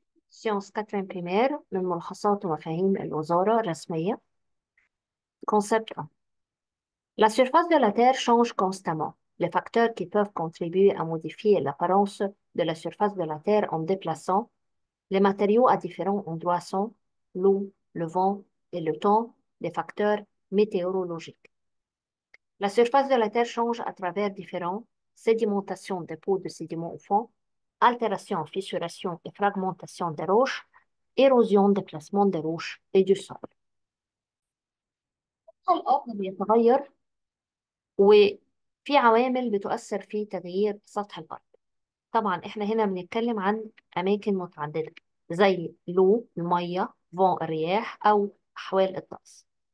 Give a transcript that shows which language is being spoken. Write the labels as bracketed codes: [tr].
[fr] سيونس كاترين بريمير [ar] من ملخصات ومفاهيم الوزارة رسمية. [fr] كونسيبت 1: La surface de la Terre change constamment. Les facteurs qui peuvent contribuer à modifier l'apparence de la surface de la Terre en déplaçant les matériaux à différents endroits sont l'eau, le vent et le temps, des facteurs météorologiques. La surface de la Terre change à travers différents sédimentations, dépôts de sédiments au fond, altération, fissuration et fragmentation des roches, érosion, déplacement des roches et du sol. [ar] الأرض بيتغير وفي عوامل بتؤثر في تغيير سطح الأرض. طبعا إحنا هنا بنتكلم عن أماكن متعددة زي لو المية، فون الرياح، أو أحوال الطقس.